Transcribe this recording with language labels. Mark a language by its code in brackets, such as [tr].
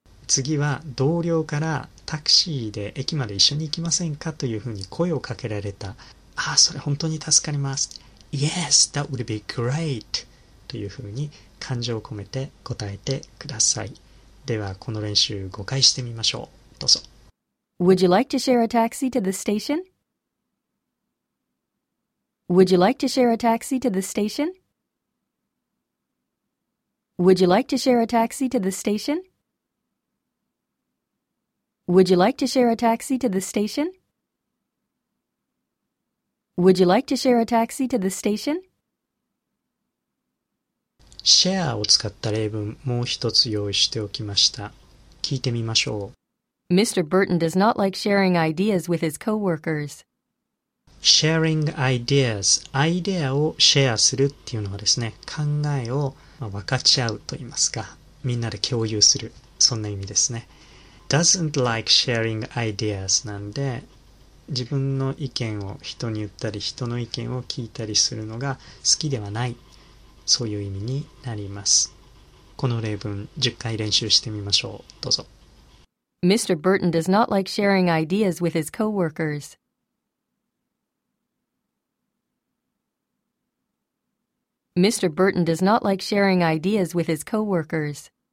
[ja] 次は同僚からタクシーで駅まで一緒に行きませんかというふうに声をかけられた。ああ、それ本当に助かります。 [en] Yes, that would be great. [ja] というふうに感情を込めて答えてください。ではこの練習5回してみましょう。どうぞ。 [en] Would you like to share a taxi to the station? Would you like to share a taxi to the station? Would you like to share a taxi to the station? Would you like to share a taxi to the station? Would you like to share a taxi to the station? [ja] Share を使った例文もう一つ用意しておきました。聞いてみましょう。 [en] Mr. Burton does not like sharing ideas with his co-workers. Sharing ideas. [ja] アイデアをシェアするっていうのはですね、考えを分かち合うと言いますか、みんなで共有する、そんな意味ですね。 [en] Doesn't like sharing ideas [ja] なんで、自分の意見を人に言ったり、人の意見を聞いたりするのが好きではない、そういう意味になります。この例文、10回練習してみましょう。どうぞ。 [en] Mr. Burton does not like sharing ideas with his co-workers. Mr. Burton does not like sharing ideas with his co-workers.